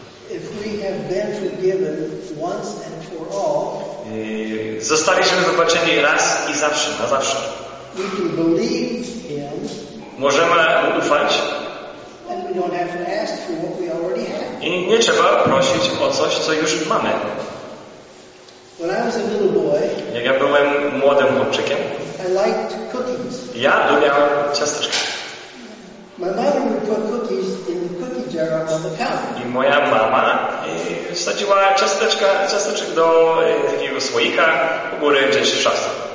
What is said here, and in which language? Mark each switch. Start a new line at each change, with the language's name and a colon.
English: If we have been forgiven once and for all,
Polish: zostaliśmy wybaczeni raz i zawsze, na zawsze.
English: We can believe him,
Polish: możemy ufać
English: and we don't have to ask for what we already have.
Polish: I nie trzeba prosić o coś, co już mamy.
English: When I was a little boy,
Polish: jak ja byłem młodym chłopczykiem,
English: I liked cookies.
Polish: Ja lubiłem ciasteczka.
English: My mother would put cookies in the cookie jar on the counter.
Polish: I moja mama wsadziła ciasteczek do takiego słoika u góry gdzieś w szafce.